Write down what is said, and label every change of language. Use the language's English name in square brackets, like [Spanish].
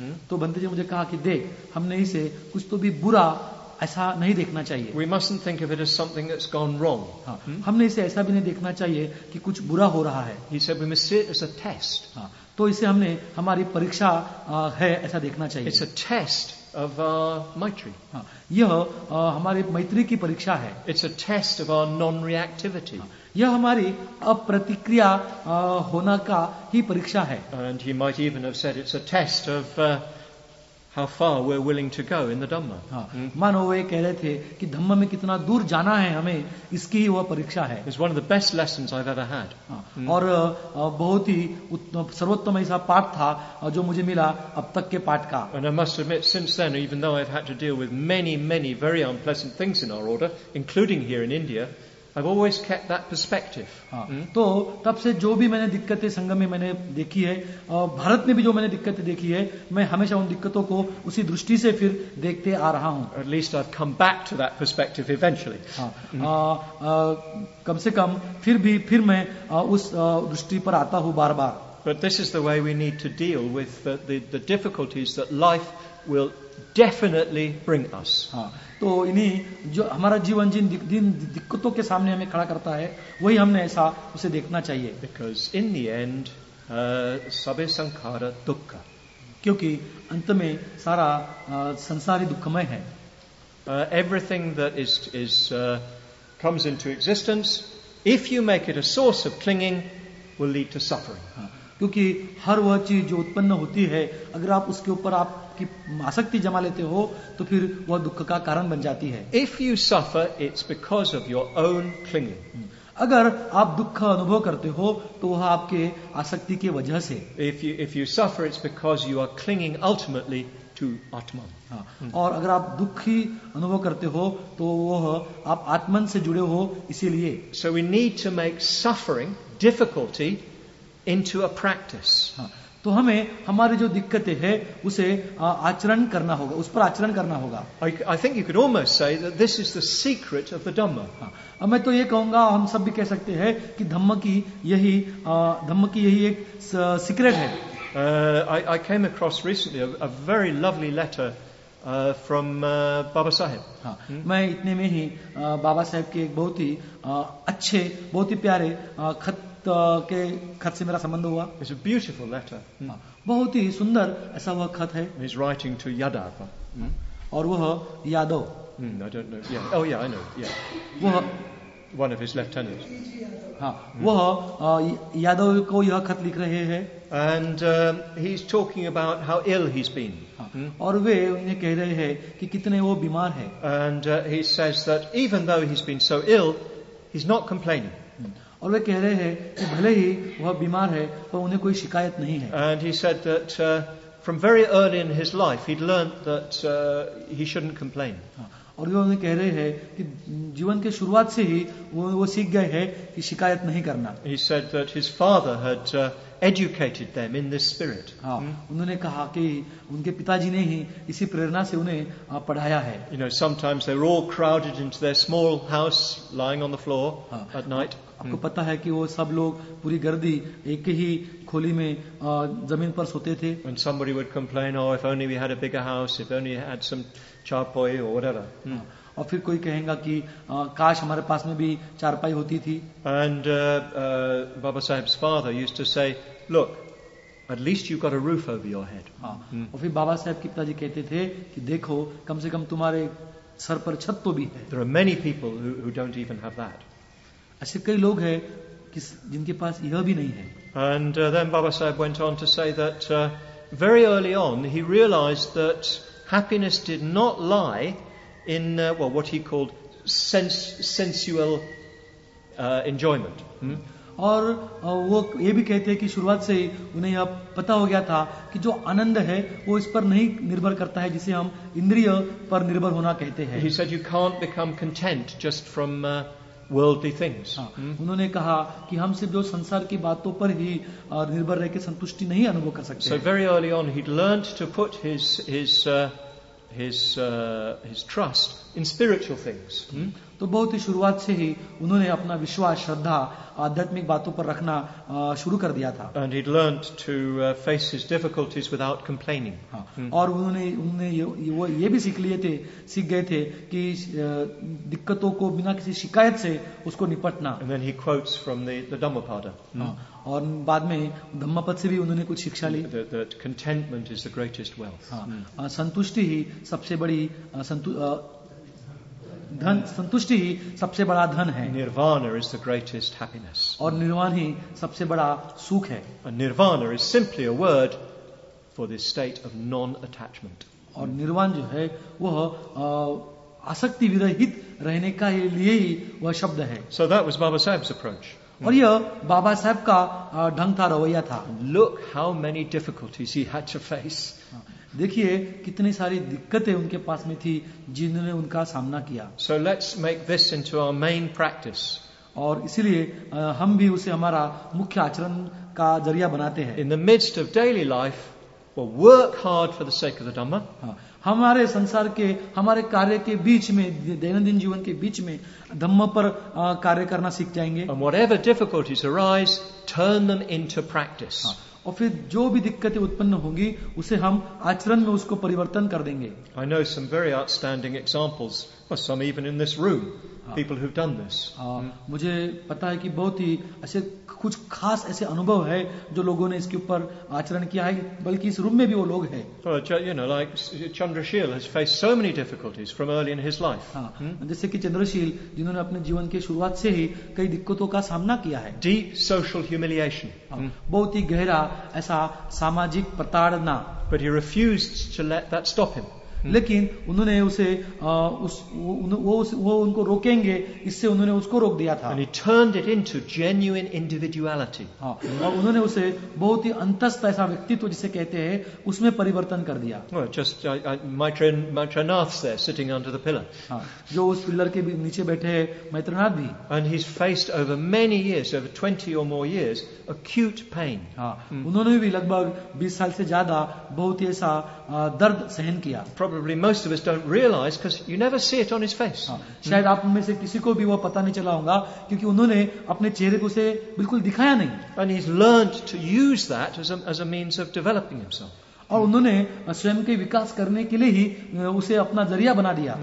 [Hindi] तो बंते जी मुझे कहा कि देख, हमने इसे कुछ तो भी बुरा ऐसा नहीं देखना चाहिए. [English] We mustn't think of it as something that's gone wrong. [Hindi] हमने इसे ऐसा भी नहीं देखना चाहिए कि कुछ बुरा हो रहा है. [English] He said we must see it as a test. [Hindi] तो इसे हमने हमारी परीक्षा है ऐसा देखना चाहिए. [English] It's a test of maitri. [Hindi] यह हमारे मैत्री की परीक्षा है. [English] It's a test of our non-reactivity. [Hindi] यह हमारी अप्रतिक्रिया होना का ही परीक्षा है. [English] And he might even have said it's a test of how far we're willing to go in the Dhamma. [Hindi] मानो वे कह रहे थे कि धम्म में कितना दूर जाना है हमें, इसकी ही वह परीक्षा है. [English] It's one of the best lessons I've ever had. [Hindi] और बहुत ही सर्वोत्तम ऐसा पाठ था जो मुझे मिला अब तक के पाठ का. [English] And I must admit, since then, even though I've had to deal with many, many very unpleasant things in our order, including here in India. I've always kept that perspective. [Hindi] तो तब से जो भी मैंने दिक्कतें संगम में मैंने देखी है, भारत में भी जो मैंने दिक्कतें देखी है, मैं हमेशा उन दिक्कतों को उसी दृष्टि से फिर देखते आ रहा हूँ. [English] At least I've come back to that perspective eventually. [Hindi] कम से कम फिर मैं उस दृष्टि पर आता हूँ बार बार. [English] But this is the way we need to deal with the difficulties that life will definitely bring us. [Hindi] तो इन्हीं जो हमारा जीवन जिन दिन दिक्कतों के सामने हमें खड़ा करता है, वही हमने ऐसा उसे देखना चाहिए. [English] Because in the end, [Pali] सबे संखार दुख. [Hindi] क्योंकि अंत में सारा संसारी दुखमय है. [English] Everything that is comes into existence, if you make it a source of clinging, will lead to suffering. [Hindi] क्योंकि हर वह चीज जो उत्पन्न होती है अगर आप उसके ऊपर आपकी आसक्ति जमा लेते हो तो फिर वह दुख का कारण बन जाती है. [English] If you suffer it's because of your own clinging. [Hindi] अगर आप दुख अनुभव करते हो तो वह आपके आसक्ति की वजह से. [English] If you suffer it's because you are clinging ultimately to atma. [Hindi] और अगर आप दुखी अनुभव करते हो तो वह आप आत्मन से जुड़े हो इसीलिए. [English] So we need to make suffering difficulty into a practice. [Hindi] तो हमें हमारी जो दिक्कतें हैं उसे आचरण करना होगा, उस पर आचरण करना होगा. [English] I think you could almost say that this is the secret of the Dhamma. [Hindi] मैं तो ये कहूंगा, हम सब भी कह सकते हैं कि धम्म की यही एक सीक्रेट है. [English] I came across recently a very lovely letter from Baba Sahib. [Hindi] मैं इतने में ही बाबा साहेब के एक बहुत ही अच्छे, बहुत ही प्यारे खत के खत से मेरा संबंध हुआ. [English] It's a beautiful letter. [Hindi] बहुत ही सुंदर ऐसा वह खत है. [English] He's writing to Yadava. [Hindi] और वह Yadav. [English] I don't know. Yeah. Oh yeah, I know. Yeah. [Hindi] वह [English] one of his lieutenants. [Hindi] वह यादव को यह खत लिख रहे हैं. [English] And he's talking about how ill he's been. [Hindi] और वे उन्हें कह रहे हैं कि कितने वो बीमार है. [English] And he says that even though he's been so ill, he's not complaining. [Hindi] और वे कह रहे हैं कि भले ही वह बीमार है पर उन्हें कोई शिकायत नहीं है. [English] And he said that from very early in his life he'd learned that he shouldn't complain. [Hindi] और वे कह रहे हैं कि जीवन के शुरुआत से ही वो सीख गए हैं कि शिकायत नहीं करना. [English] He said that his father had educated them in this spirit. [Hindi] उन्होंने कहा कि उनके पिताजी ने ही इसी प्रेरणा से उन्हें पढ़ाया है. [English] You know, sometimes they were all crowded into their small house lying on the floor at night. [Hindi] आपको पता है कि वो सब लोग पूरी गर्दी एक ही खोली में जमीन पर सोते थे. [English] And somebody would complain, oh, if only we had a bigger house, if only we had some chapoy or whatever. [Hindi] और फिर कोई कहेगा कि काश हमारे पास में भी चारपाई होती थी. [English] And Baba Sahib's father used to say, look, at least you've got a roof over your head. [Hindi] और फिर बाबा साहेब के पिताजी कहते थे कि देखो कम से कम तुम्हारे सर पर छत तो भी है. [English] There are many people who don't even have that. [Hindi] ऐसे कई लोग हैं कि जिनके पास यह भी नहीं है. [English] And then Baba Sahib went on to say that very early on he realized that happiness did not lie in what he called sensual enjoyment. [Hindi] और वो ये भी कहते हैं कि शुरुआत से उन्हें यह पता हो गया था कि जो आनंद है वो इस पर नहीं निर्भर करता है जिसे हम इंद्रिय पर निर्भर होना कहते हैं. [English] He said you can't become content just from worldly things. [Hindi] उन्होंने कहा कि हम सिर्फ जो संसार की बातों पर ही निर्भर रह के संतुष्टि नहीं अनुभव कर सकते. [English] So very early on he'd learned to put his trust in spiritual things. [Hindi] तो बहुत ही शुरुआत से ही उन्होंने अपना विश्वास, श्रद्धा आध्यात्मिक बातों पर रखना शुरू कर दिया था. [English] And he'd learned to face his difficulties without complaining. [Hindi] और उन्होंने ये भी सीख गए थे कि दिक्कतों को बिना किसी शिकायत से उसको निपटना. [English] And then he quotes from the Dhammapada. [Hindi] और बाद में धम्मपद से भी उन्होंने कुछ शिक्षा ली. [English] That contentment is the greatest wealth. [Hindi] संतुष्टि ही सबसे बड़ी धन, संतुष्टि ही सबसे बड़ा धन है. [English] Nirvana is the greatest happiness. [Hindi] और निर्वाण ही सबसे बड़ा सुख है. [English] And Nirvana is simply a word for this state of non-attachment. [Hindi] और निर्वाण जो है वह आसक्ति विरहित रहने का लिए ही वह शब्द है. [English] So that was Baba Sahib's approach. [Hindi] और यह बाबा साहब का ढंग था, रवैया था. [English] Look how many difficulties he had to face. [Hindi] देखिए कितनी सारी दिक्कतें उनके पास में थी जिन्होंने उनका सामना किया. [English] So let's make this into our main practice. [Hindi] और इसीलिए हम भी उसे हमारा मुख्य आचरण का जरिया बनाते हैं. [English] In the midst of daily life, we'll work hard for the sake of the Dhamma. [Hindi] हमारे संसार के, हमारे कार्य के बीच में, दैनंदिन जीवन के बीच में धम्म पर कार्य करना सीख जाएंगे. [English] And whatever difficulties arise, turn them into practice. [Hindi] और फिर जो भी दिक्कतें उत्पन्न होंगी उसे हम आचरण में उसको परिवर्तन कर देंगे. [English] I know some very outstanding examples, or some even in this room, people who've done this. [Hindi] मुझे पता है कि बहुत ही ऐसे कुछ खास ऐसे अनुभव है जो लोगों ने इसके ऊपर आचरण किया है, बल्कि इस रूम में भी वो लोग हैं. [English] You know, like Chandrashil has faced so many difficulties from early in his life. [Hindi] जैसे कि चंद्रशील जिन्होंने अपने जीवन के शुरुआत से ही कई दिक्कतों का सामना किया है. [English] Deep social humiliation. [Hindi] बहुत ही गहरा ऐसा सामाजिक प्रताड़ना. [English] But he refused to let that stop him. [Hindi] लेकिन उन्होंने उसे वो उनको रोकेंगे इससे उन्होंने उसको रोक दिया था. [English] And he turned it into genuine individuality. [Hindi] और उन्होंने उसे बहुत ही अंतस्थ ऐसा व्यक्तित्व जिसे कहते हैं उसमें परिवर्तन कर दिया. [English] Maitreyanath there sitting under the pillar. [Hindi] जो उस पिलर के नीचे बैठे हैं मैत्रनाथ भी. [English] And he's faced over many years, over 20 or more years, acute pain. [Hindi] उन्होंने भी लगभग 20 साल से ज्यादा बहुत ही ऐसा दर्द सहन किया. [English] Probably most of us don't realize because you never see it on his face. [Hindi] शायद आप में से किसी को भी वो पता नहीं चला होगा क्योंकि उन्होंने अपने चेहरे को उसे बिल्कुल दिखाया नहीं. [English] And he's learned to use that as a means of developing himself. [Hindi] और उन्होंने स्वयं के विकास करने के लिए ही उसे अपना जरिया बना दिया.